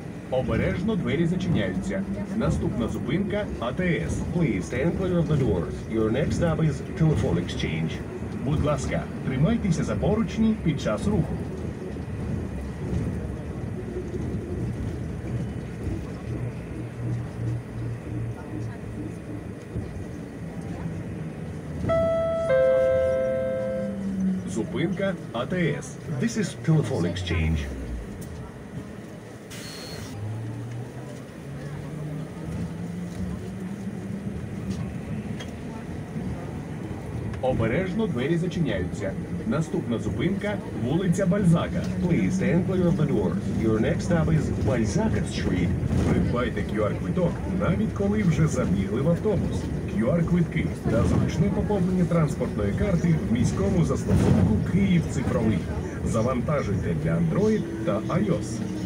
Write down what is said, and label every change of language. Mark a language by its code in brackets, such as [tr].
[uk] Обережно двері зачиняються. Наступна зупинка – АТС. [en] Please stand clear of the door. Your next stop is Telephone Exchange. [uk] Будь ласка, тримайтеся за поручні під час руху. Зупинка АТС. [en] This is Telephone Exchange. [uk] Обережно двері зачиняються. Наступна зупинка – вулиця Бальзака. [en] Please stand clear of the door. Your next stop is Balzac Street. [uk] Придбайте QR-квиток, навіть коли вже забігли в автобус. QR-квитки та зручне поповнення транспортної карти в міському застосунку «Київ цифровий». Завантажуйте для Android та iOS.